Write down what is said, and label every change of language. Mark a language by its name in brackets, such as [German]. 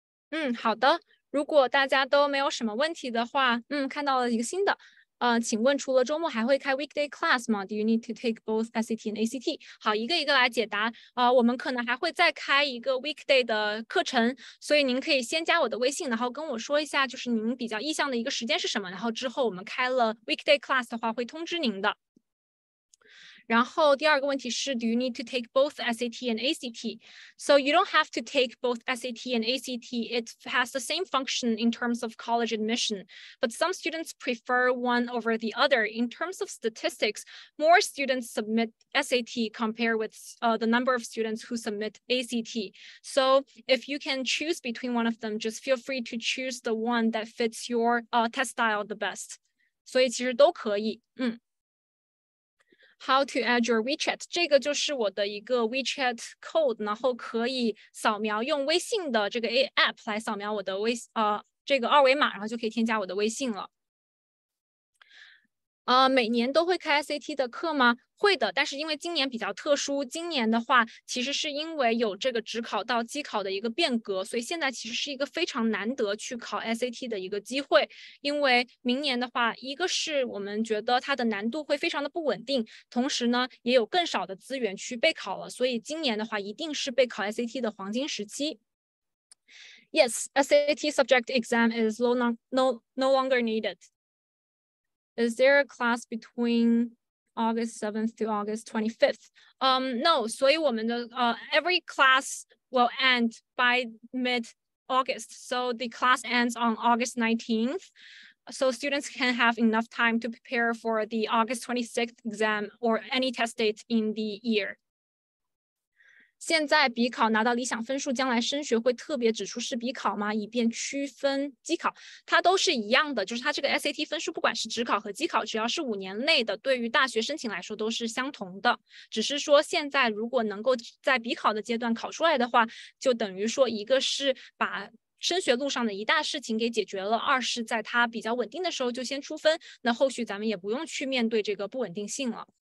[Chinese] 嗯，好的。如果大家都没有什么问题的话，嗯，看到了一个新的。请问除了周末还会开 weekday class 吗？ [English] Do you need to take both SAT and ACT? [Chinese] 好，一个一个来解答。我们可能还会再开一个 weekday 的课程，所以您可以先加我的微信，然后跟我说一下就是您比较意向的一个时间是什么，然后之后我们开了 weekday class 的话会通知您的。然后第二个问题是 [English] Do you need to take both SAT and ACT? So you don't have to take both SAT and ACT. It has the same function in terms of college admission, but some students prefer one over the other. In terms of statistics, more students submit SAT compared with the number of students who submit ACT. So if you can choose between one of them, just feel free to choose the one that fits your test style the best. 所以其实都可以，嗯。 How to add your WeChat? [Chinese] 这个就是我的一个 WeChat code， 然后可以扫描用微信的这个 app 来扫描我的微这个二维码，然后就可以添加我的微信了。每年都会开 SAT 的课吗？会的，但是因为今年比较特殊，今年的话其实是因为有这个职考到机考的一个变革，所以现在其实是一个非常难得去考 SAT 的一个机会。因为明年的话，一个是我们觉得它的难度会非常的不稳定，同时呢也有更少的资源去备考了，所以今年的话一定是备考 SAT 的黄金时期。 [English] Yes, SAT subject exam is no longer needed. Is there a class between August 7th to August 25th? No, so every class will end by mid-August. So the class ends on August 19th. So students can have enough time to prepare for the August 26th exam or any test date in the year. [Chinese] 现在笔考拿到理想分数，将来升学会特别指出是笔考吗？以便区分机考，它都是一样的，就是它这个 SAT 分数，不管是指考和机考，只要是五年内的，对于大学申请来说都是相同的。只是说现在如果能够在笔考的阶段考出来的话，就等于说一个是把升学路上的一大事情给解决了，二是在它比较稳定的时候就先出分，那后续咱们也不用去面对这个不稳定性了。